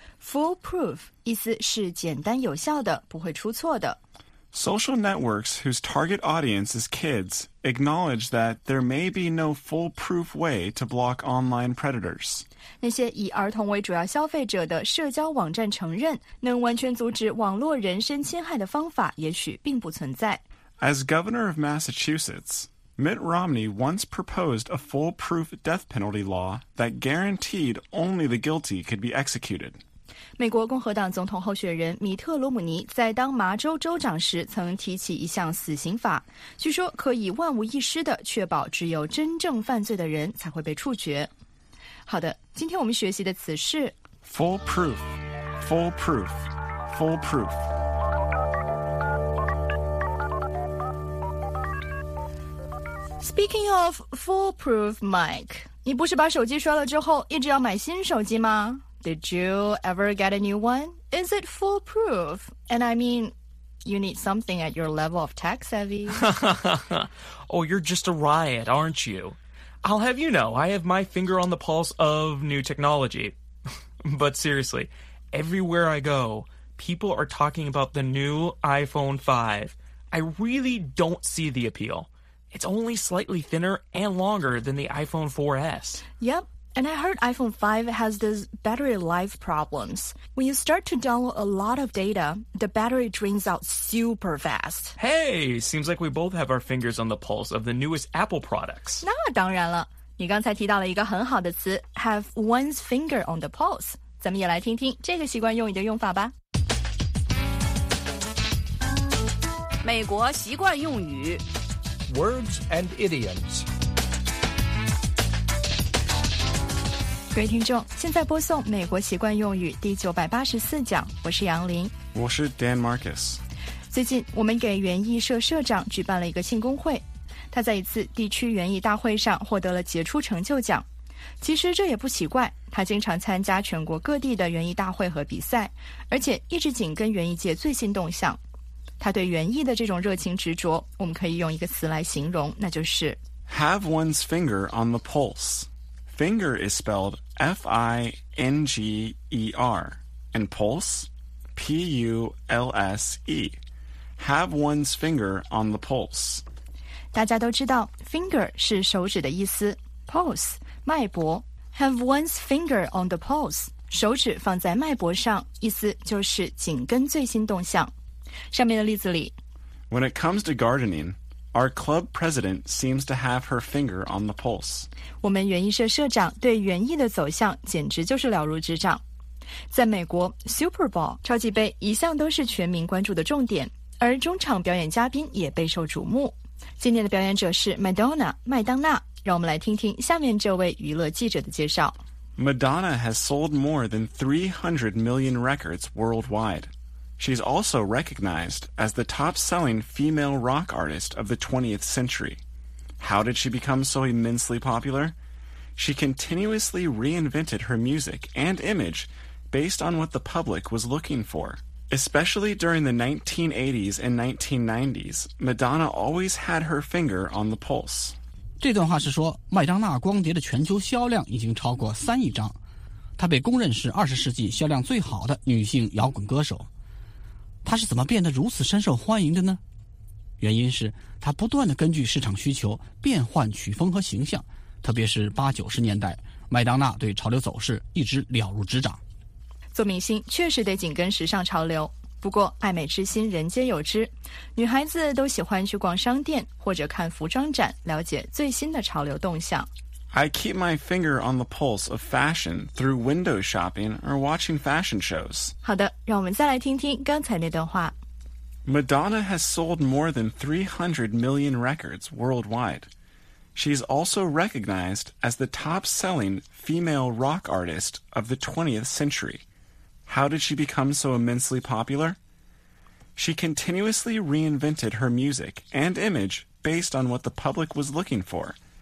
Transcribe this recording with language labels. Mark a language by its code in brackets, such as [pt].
[zh] Foolproof 意思是简单有效的，不会出错的。 [en] Social networks whose target audience is kids acknowledge that there may be no foolproof way to block online predators. [zh] 那些以儿童为主要消费者的社交网站承认，能完全阻止网络人身侵害的方法也许并不存在。 [en] As governor of Massachusetts,Mitt Romney once proposed a foolproof death penalty law that guaranteed only the guilty could be executed. [zh] 美国共和党总统候选人米特·罗姆尼在当麻州州长时曾提起一项死刑法，据说可以万无一失地确保只有真正犯罪的人才会被处决。好的，今天我们学习的词是 [en] foolproof, foolproof, foolproof. Speaking of foolproof, Mike, [zh] 你不是把手机摔了之后一直要买新手机吗? [en] Did you ever get a new one? Is it foolproof? And I mean, you need something at your level of tech savvy. Oh, you're just a riot, aren't you? I'll have you know, I have my finger on the pulse of new technology. But seriously, everywhere I go, people are talking about the new iPhone 5. I really don't see the appeal. It's only slightly thinner and longer than the iPhone 4S. Yep, and I heard iPhone 5 has these battery life problems. When you start to download a lot of data, the battery drains out super fast. Hey, seems like we both have our fingers on the pulse of the newest Apple products. [zh] 那当然了，你刚才提到了一个很好的词 , [en] have one's finger on the pulse. [zh] 咱们也来听听这个习惯用语的用法吧。美国习惯用语 [en] Words and idioms. [zh] 各位听众，现在播送美国习惯用语第984讲，我是杨林，我是 Dan Marcus。最近我们给园艺社社长举办了一个庆功会，他在一次地区园艺大会上获得了杰出成就奖。其实这也不奇怪，他经常参加全国各地的园艺大会和比赛，而且一直紧跟园艺界最新动向。他对园艺的这种热情执着，我们可以用一个词来形容，那就是 [en] Have one's finger on the pulse. Finger is spelled F-I-N-G-E-R. And pulse? P-U-L-S-E. Have one's finger on the pulse. [zh] 大家都知道 finger 是手指的意思 pulse, 脉搏 [en] Have one's finger on the pulse. [zh] 手指放在脉搏上，意思就是紧跟最新动向。上面的例子里 [en] When it comes to gardening, our club president seems to have her finger on the pulse. [zh] 我们园艺社社长对园艺的走向简直就是了如指掌。在美国 ,Super Bowl, 超级杯一向都是全民关注的重点，而中场表演嘉宾也备受瞩目。今年的表演者是 Madonna, 麦当娜。让我们来听听下面这位娱乐记者的介绍。 [en] Madonna has sold more than 300 million records worldwide. She's also recognized as the top-selling female rock artist of the 20th century. How did she become so immensely popular? She continuously reinvented her music and image based on what the public was looking for. Especially during the 1980s and 1990s, Madonna always had her finger on the pulse. [zh] 这段话是说，麦当娜光碟的全球销量已经超过3亿张。她被公认是20世纪销量最好的女性摇滚歌手。她是怎么变得如此深受欢迎的呢？原因是她不断地根据市场需求变换曲风和形象，特别是80-90年代，麦当娜对潮流走势一直了如指掌。做明星确实得紧跟时尚潮流，不过爱美之心人皆有之，女孩子都喜欢去逛商店或者看服装展，了解最新的潮流动向。 [en] I keep my finger on the pulse of fashion through window shopping or watching fashion shows. [zh] 好的，让我们再来听听刚才那段话。 [en] Madonna has sold more than 300 million records worldwide. She's also recognized as the top-selling female rock artist of the 20th century. How did she become so immensely popular? She continuously reinvented her music and image based on what the public was looking for.